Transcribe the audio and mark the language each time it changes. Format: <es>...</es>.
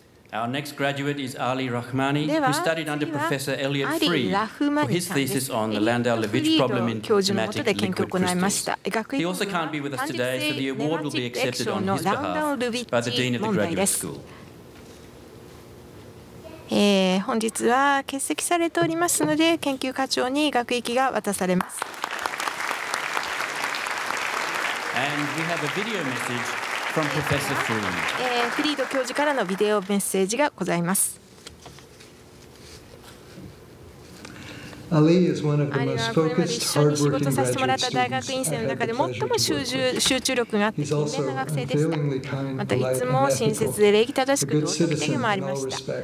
<en>Our next graduate is Ali Rahmani, who studied under Professor Elliot Free for his thesis on the Landau-Levitch problem in thematic liquid crystals. He also can't be with us today, so the award will be accepted on his behalf by the Dean of the Graduate School.</en> <ja>本日は欠席されておりますので、研究課長に学域が渡されます。</ja> <en>And we have a video message from Professor Free.</en> <ja>フリード教授からのビデオメッセージがございます。アリはこれまで一緒に仕事させてもらった大学院生の中で最も集中力があって勤勉な学生でした。またいつも親切で礼儀正しく道徳的もありました。</ja>